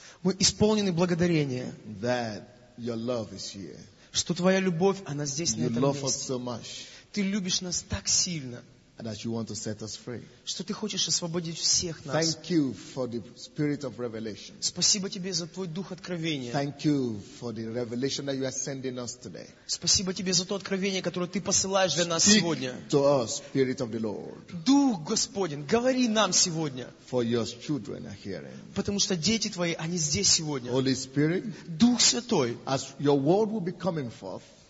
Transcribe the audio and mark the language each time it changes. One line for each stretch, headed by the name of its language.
Russian: Мы исполнены благодарения.
English: That your love is here.
Russian: Что твоя любовь, она здесь, на этом месте.
English: So much,
Russian: ты любишь нас так сильно,
English: that you want to set us free.
Russian: Что ты хочешь освободить всех нас.
English: Thank you for the spirit of revelation.
Russian: Спасибо тебе за твой дух откровения.
English: Thank you for the revelation that you are sending us today.
Russian: Спасибо тебе за то откровение, которое ты посылаешь для нас
English: Speak
Russian: сегодня.
English: To us, spirit of the Lord.
Russian: Дух Господень, говори нам сегодня.
English: For your children are hearing.
Russian: Потому что дети твои, они здесь сегодня.
English: Holy Spirit,
Russian: Дух Святой,
English: as your word will be coming forth,